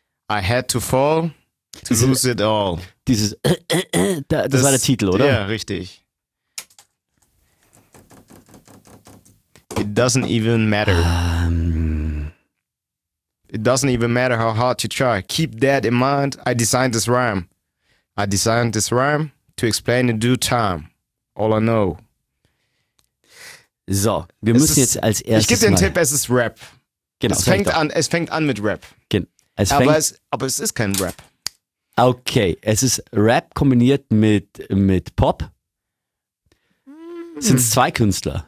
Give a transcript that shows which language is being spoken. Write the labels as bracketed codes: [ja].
[en] I had to fall to lose it all. [de] Dieses, das war der Titel, oder? Ja, richtig. [en] It doesn't even matter. It doesn't even matter how hard you try. Keep that in mind. I designed this rhyme. I designed this rhyme to explain in due time. All I know. [de] So, wir müssen jetzt als erstes. Ich gebe dir einen Tipp, es ist Rap. Genau. Es fängt an mit Rap. Aber es ist kein Rap. Okay, es ist Rap kombiniert mit Pop. Sind es zwei Künstler?